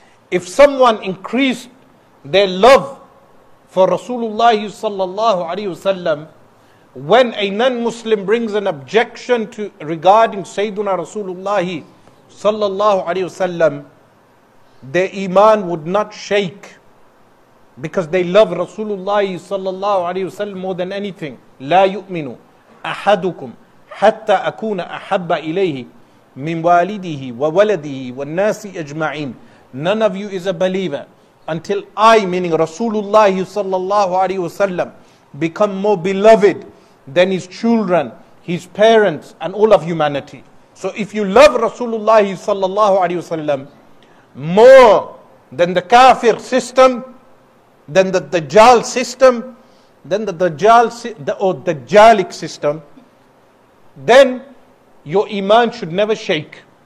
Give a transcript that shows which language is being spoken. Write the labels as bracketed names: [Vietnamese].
[English] If someone increased their love for Rasulullah sallallahu alayhi wa sallam, when a non-Muslim brings an objection to regarding Sayyiduna Rasulullah sallallahu alayhi wa sallam, their iman would not shake because they love Rasulullah sallallahu alayhi wa sallam more than anything. [Arabic] لا يؤمن أحدكم حتى أكون أحب إليه من والده وولده والناس أجمعين. [English] None of you is a believer until I, meaning Rasulullah sallallahu alayhi wa sallam, become more beloved than his children, his parents, and all of humanity. So if you love Rasulullah sallallahu alayhi wa sallam more than the kafir system, than the dajjal system, than the dajjal or dajjalic system, then your iman should never shake.